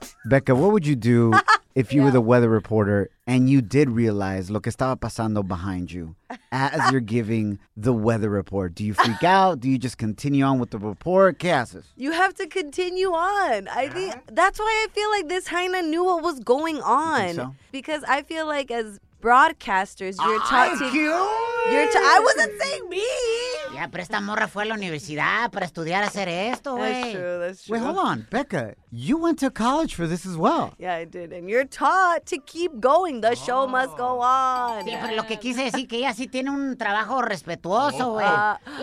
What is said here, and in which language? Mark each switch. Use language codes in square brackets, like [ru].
[en] Becca, what would you do if you were the weather reporter and you did realize [es] lo que estaba pasando [en] behind you as you're giving the weather report? Do you freak out? Do you just continue on with the report? [es] ¿Qué haces? [en] You have to continue on. I think that's why I feel like this hyena knew what was going on. You think so? Because I feel like as broadcasters, you're taught to... I wasn't saying me. [es] Yeah, pero esta morra fue a la universidad para estudiar hacer esto, güey. [en] That's true. Wait, hold on. Becca, you went to college for this as well. Yeah, I did. And you're taught to keep going. The show must go on. [es] Sí, pero lo que quise decir que ella sí tiene un trabajo respetuoso, güey.